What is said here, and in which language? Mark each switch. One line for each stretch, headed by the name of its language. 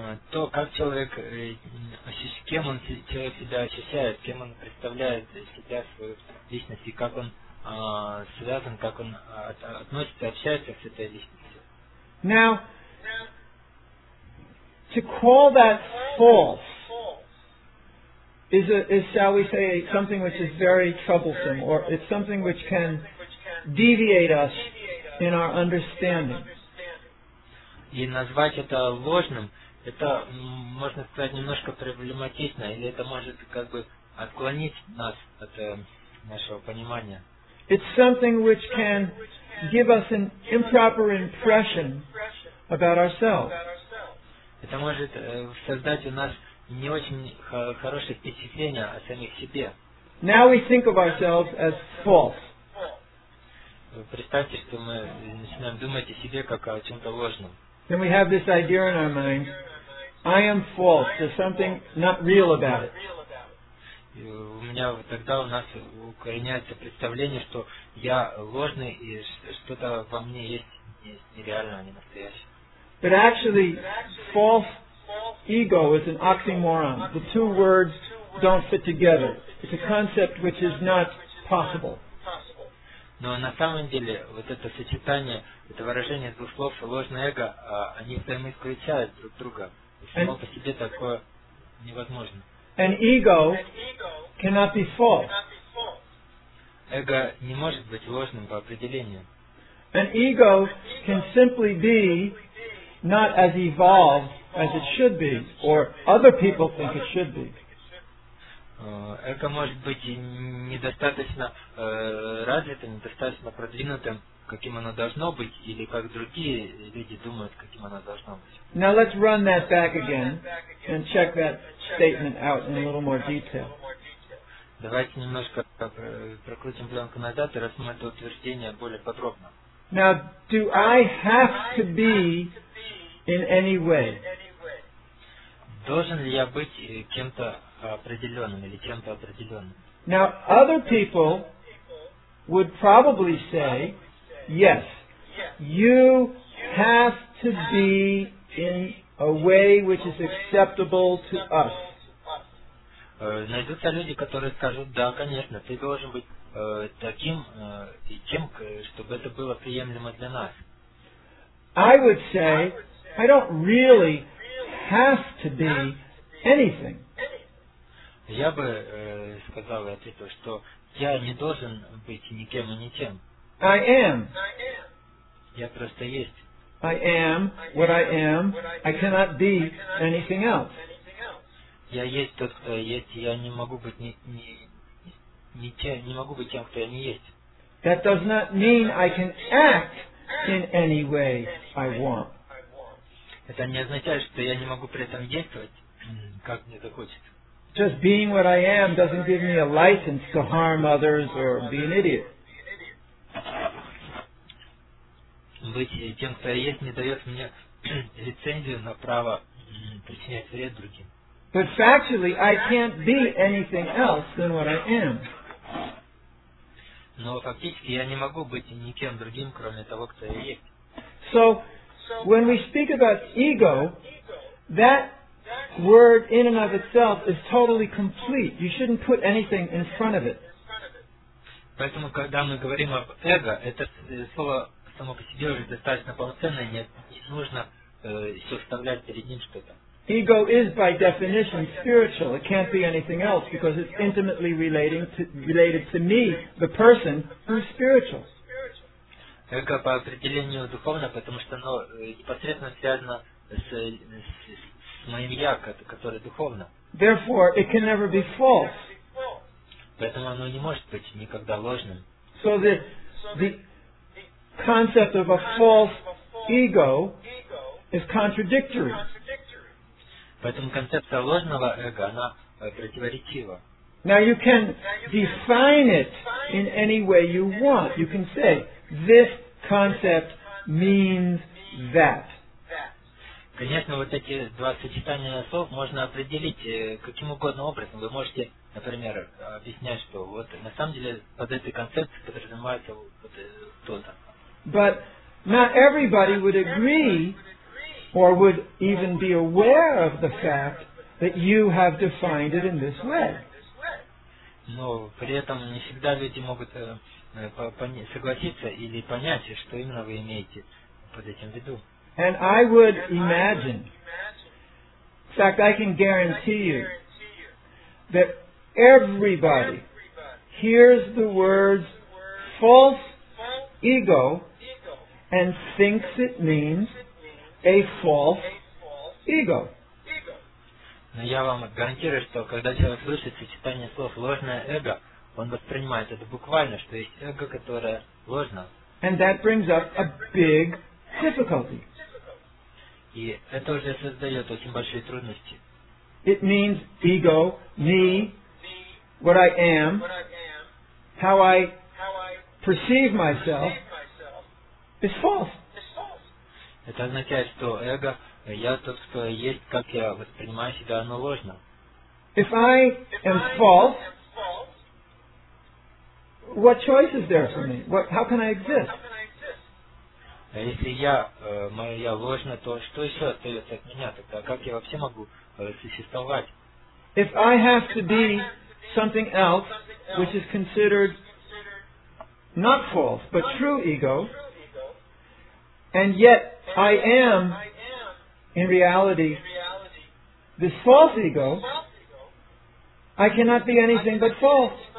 Russian: То, как человек, кем он человек себя ощущает, кем он представляет себя, свою личность, и как он связан, как он относится, общается с этой личностью.
English: Now, to call that false is, shall we say, something which is very troublesome, or it's something which can deviate us in our understanding.
Russian: И назвать это ложным, это, можно сказать, немножко проблематично, или это может как бы отклонить нас от нашего понимания.
English: It's something which can give us an improper impression about ourselves.
Russian: Это может создать у нас не очень хорошее впечатление о самих себе.
English: Now we think of ourselves as false.
Russian: Представьте, что мы начинаем думать о себе как о чем-то ложном.
English: Then we have this idea in our mind. I am false. There's something not real about it.
Russian: У меня тогда у нас укореняется представление, что я ложный и что-то во мне есть нереальное, не настоящее.
English: But actually, false ego is an oxymoron. The two words don't fit together. It's a concept which is not possible.
Russian: Но на самом деле вот это сочетание, это выражение двух слов ложное эго, они взаимоисключают друг друга. Само по себе такое невозможно.
English: An ego cannot be false.
Russian: Эго не может быть ложным по определению.
English: An ego can simply be not as evolved as it should be, or other people think it should be.
Russian: Это может быть недостаточно развитым, недостаточно продвинутым, каким оно должно быть, или как другие люди думают, каким оно должно быть.
English: Now let's run that back again and check that statement out in a little more detail.
Russian: Давайте немножко прокрутим пленку назад и рассмотрим это утверждение более подробно.
English: Now, do I have to be in any way?
Russian: Должен ли я быть кем-то определенным или чем-то определенным?
English: Now, other people would probably say, yes, you have to be in a way which is acceptable to us.
Russian: Найдутся люди, которые скажут, да, конечно, ты должен быть таким и тем, чтобы это было приемлемо для нас.
English: I would say, I don't really have to be anything.
Russian: Я бы сказал и ответил, что я не должен быть ни кем и ни тем.
English: I am.
Russian: Я просто есть.
English: I am what I am. I cannot be anything else.
Russian: Я есть тот, кто я есть, я не могу быть не могу быть тем, кто я не есть.
English: That does not mean I can act in any way I want.
Russian: Это не означает, что я не могу при этом действовать, как мне захочется.
English: Just being what I am doesn't give me a license to harm others or be an idiot.
Russian: Быть тем, кто я есть, не дает мне лицензию на право причинять вред другим.
English: But factually, I can't be anything else than what I am.
Russian: Но фактически я не могу быть никем другим, кроме того, кто я есть.
English: So, when we speak about ego, that word in and of itself is totally complete. You shouldn't put anything in front of it.
Russian: Поэтому, когда мы говорим об эго, это слово само по себе уже достаточно полноценное, не нужно еще вставлять перед ним что-то.
English: Ego is by definition spiritual. It can't be anything else because it's intimately related to me, the person who's spiritual.
Russian: Эго по определению духовно, потому что оно непосредственно связано с моим я, которое духовно.
English: Therefore, it can never be false.
Russian: Поэтому оно не может быть никогда ложным.
English: So the concept of a false ego is contradictory.
Russian: Поэтому концепция ложного эго, она противоречива.
English: Now you can define it in any way you want. You can say, this concept means that.
Russian: Конечно, вот эти два сочетания слов можно определить каким угодно образом. Вы можете, например, объяснять, что вот на самом деле под этой концепцией подразумевается вот то-то.
English: But not everybody would agree or would even be aware of the fact that you have defined it in this way.
Russian: Но при этом не всегда люди могут согласиться или понять, что именно вы имеете под этим в виду.
English: And I would imagine, in fact, I can guarantee you that everybody hears the words false ego and thinks it means a false ego.
Russian: Но я вам гарантирую, что когда человек слышит сочетание слов ложное эго, он воспринимает это буквально, что есть эго, которое ложно.
English: And that brings up a big difficulty.
Russian: И это уже создает очень большие трудности.
English: It means ego, me, what I am, how I perceive myself, is false.
Russian: Это означает, что эго, я тот, кто я есть, как я воспринимаю себя, оно ложно.
English: If I am false, what choice is there for me? How can I exist?
Russian: Если я, мое я ложно, то что еще остается от меня? Тогда как я вообще могу существовать?
English: If I have to be something else, which is considered not false, but true ego, and yet I am, in reality, this false ego, I cannot be anything but false.